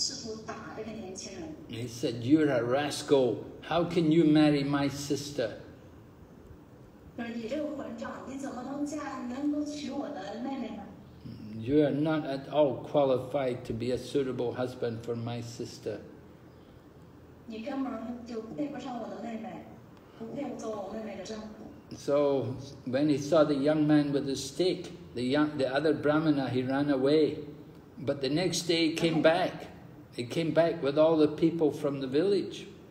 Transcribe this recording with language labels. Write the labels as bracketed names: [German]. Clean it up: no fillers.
[Chinese] 然后这个老年人的儿子当时就拿了棍子就出来了，他也想要来试图打这个年轻人。 [English] He said, "You're a rascal. How can you marry my sister?" [Chinese] 你这个混账，你怎么能嫁，能够娶我的妹妹呢？ [English] You are not at all qualified to be a suitable husband for my sister. [Chinese] 你根本就配不上我的妹妹，不配做我妹妹的丈夫。 [English] So when he saw the young man with the stick, the other brahmana, he ran away. But the next day he came back. He came back with all the people from the village.